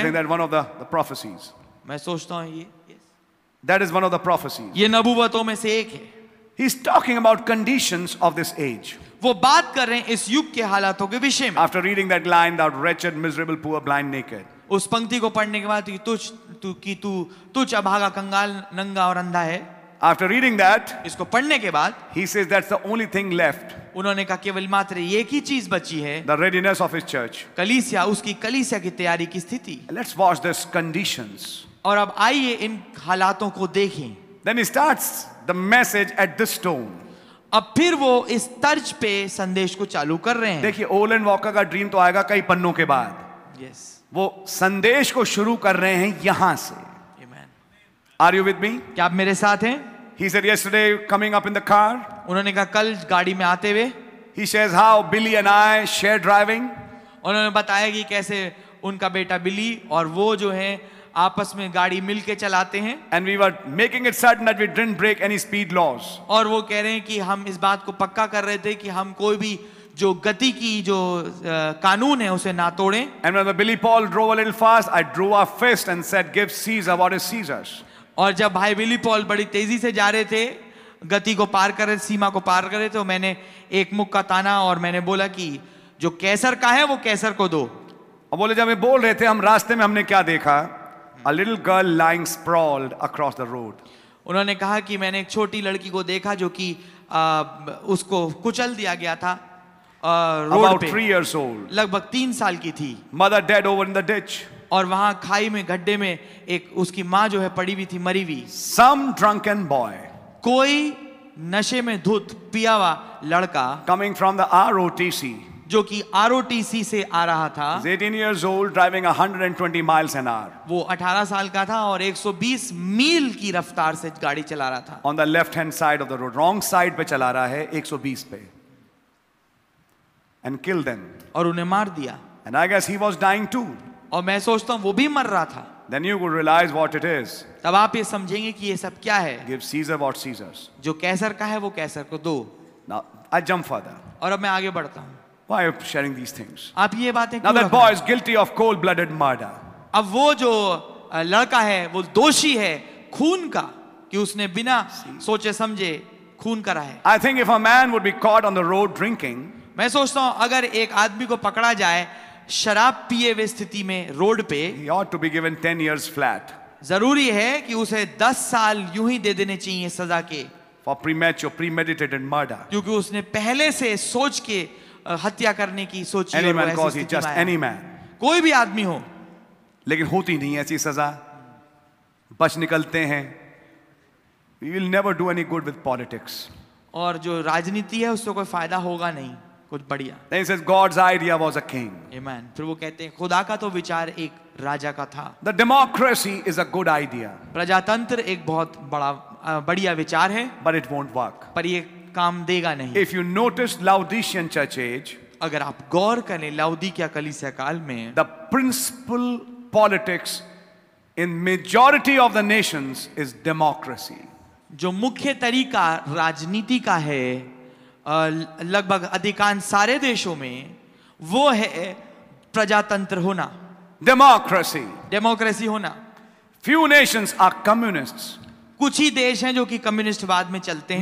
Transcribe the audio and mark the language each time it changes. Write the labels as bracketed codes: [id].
[en] I think that one of the prophecies. [hi] मैं सोचता हूँ ये. [en] Yes. That is one of the prophecies. [hi] ये नबुवतों में से एक है. [en] He's talking about conditions of this age. [hi] वो बात कर रहे हैं इस युग के हालातों के विषय में. [en] After reading that line, that wretched, miserable, poor, blind, naked. [hi] उस पंक्ति को पढ़ने के बाद तुझ अभागा कंगाल नंगा और अंधा है. [en] After reading that, [hi] इसको पढ़ने के बाद, [en] he says that's the only thing left. [hi] उन्होंने कहा केवल मात्र एक ही चीज बची है. [en] The readiness of his church. [hi] कलीसिया, उसकी कलीसिया की तैयारी की स्थिति. [en] Let's watch this conditions. [hi] और अब आइए इन हालातों को देखें. [en] Then he starts the message at this stone. [hi] अब फिर वो इस तर्ज पे संदेश को चालू कर रहे हैं. देखिए ओलन वॉकर का ड्रीम तो आएगा कई पन्नों के बाद. [en] Yes. [hi] वो संदेश को शुरू कर रहे हैं यहां से. [en] Amen. Are you with me? [hi] क्या आप मेरे साथ हैं? [en] He said yesterday coming up in the car. [hi] उन्होंने कहा कल गाड़ी में आते हुए. [en] He says how Billy and I share driving. [hi] उन्होंने बताया कि कैसे उनका बेटा बिली और वो जो है आपस में गाड़ी मिलके चलाते हैं. [en] And we were making it certain that we didn't break any speed laws. [hi] और वो कह रहे हैं कि हम इस बात को पक्का कर रहे थे कि हम कोई भी जो गति की जो कानून है उसे ना तोड़ें. [en] And when the Billy Paul drove a little fast, I drew a fist and said, "Give Caesar what is Caesar's." [hi] और जब भाई बिली पॉल बड़ी तेजी से जा रहे थे, गति को पार कर रहे, सीमा को पार कर रहे थे, तो मैंने एक मुक्का ताना और मैंने बोला कि जो कैसर का है वो कैसर को दो. और बोले जब हम बोल रहे थे हम रास्ते में हमने क्या देखा? [en] A little girl lying sprawled across the road. [hi] उन्होंने कहा कि मैंने एक छोटी लड़की को देखा जो कि उसको कुचल दिया गया था. [en] About 3 years old. [hi] लगभग 3 साल की थी. [en] Mother dead over in the ditch. [hi] और वहां खाई में गड्ढे में एक उसकी माँ जो है पड़ी हुई थी मरी हुई. [en] Some drunken boy. [hi] कोई नशे में धुत पिया हुआ लड़का. [en] Coming from the ROTC. [hi] जो कि ROTC से आ रहा था. [en] 18 years old, driving 120 miles an hour. [hi] वो 18 साल का था और 120 मील की रफ्तार से गाड़ी चला रहा था. [en] On the left hand side of the road, wrong side [hi] पे चला रहा है 120 पे. [en] And kill them. [hi] और उन्हें मार दिया. [en] And I guess he was dying too. [hi] और मैं सोचता हूँ वो भी मर रहा था. [en] Then you will realize what it is. [hi] तब आप ये समझेंगे कि ये सब क्या है. [en] Give Caesar what Caesar's. [hi] जो कैसर का है वो कैसर को दो. [en] Now I jump further. [hi] और अब मैं आगे बढ़ता हूँ. [en] Why are you sharing these things? [hi] आप ये बातें क्यों? [en] Now that boy is guilty of cold-blooded murder. [hi] अब वो जो लड़का है वो दोषी है खून का कि उसने बिना सोचे समझे खून करा है. [en] I think if a man would be caught on the road drinking. [hi] मैं सोचता हूँ अगर एक आदमी को पकड़ा जाए शराब पिए हुए स्थिति में रोड पे. [en] He ought to be given 10 years flat. [hi] जरूरी है कि उसे 10 साल यूं ही दे देने चाहिए सजा के. [en] For premeditated murder. [hi] क्योंकि उसने पहले से सोच के हत्या करने की सोच. [en] Any man cause he just any man. [hi] कोई भी आदमी हो. लेकिन होती नहीं ऐसी सजा. बच निकलते हैं. [en] We will never do any good with politics. [hi] और जो राजनीति है उससे कोई फायदा होगा नहीं. कुछ बढ़िया. [en] Then he says God's idea was a king. Amen. [hi] फिर वो कहते हैं खुदा का तो विचार एक राजा का था. [en] The democracy is a good idea. [hi] प्रजातंत्र एक बहुत बढ़िया विचार है. [en] But it won't work. [hi] पर ये काम देगा नहीं. [en] If you notice Laodicean church age, [hi] अगर आप गौर करें लौदीकिया कलीसिया काल में, [en] the principal politics in majority of the nations is democracy. [hi] जो मुख्य तरीका राजनीति का है लगभग अधिकांश सारे देशों में वो है प्रजातंत्र होना. [en] democracy [hi] होना. [en] Few nations are communists. [hi] कुछ ही देश हैं जो कि कम्युनिस्ट वाद में चलते हैं.